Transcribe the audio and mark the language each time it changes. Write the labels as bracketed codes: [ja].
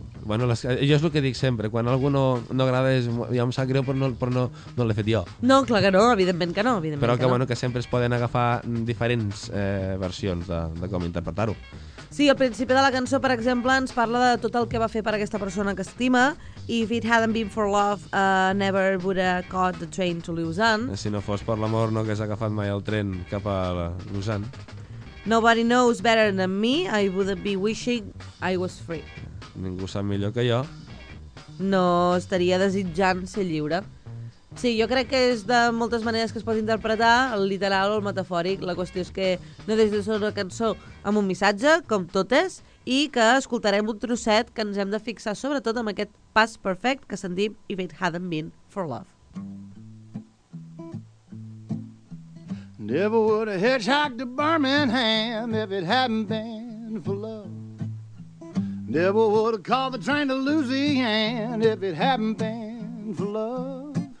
[ca] Bueno, jo és el que dic sempre, quan algú no agrada, ja em sap greu, però no l'he fet jo. No, clar que no, evidentment que no. Però que sempre es poden agafar diferents versions de com interpretar-ho. Sí, al principi de la cançó, per exemple, ens parla de tot el que va fer per aquesta persona que estima. [en] If it hadn't been for love, never would have caught the train to Lausanne. [ca] Si no fos per l'amor, no hagués agafat mai el tren cap a Lausanne. [en] Nobody knows better than me, I would be wishing I was free. [ca] Ningú sap millor que jo. No estaria desitjant ser lliure. Sí, jo crec que és de moltes maneres que es pot interpretar, el literal o el metafòric. La qüestió és que no deixi de ser una cançó amb un missatge, com totes, i que escoltarem un trosset que ens hem de fixar sobretot amb aquest pas perfect que sentim [en] If it hadn't been for love. Never would have hitchhiked to Birmingham if it hadn't been for love. Never would have called the train to Louisiana if it hadn't been for love.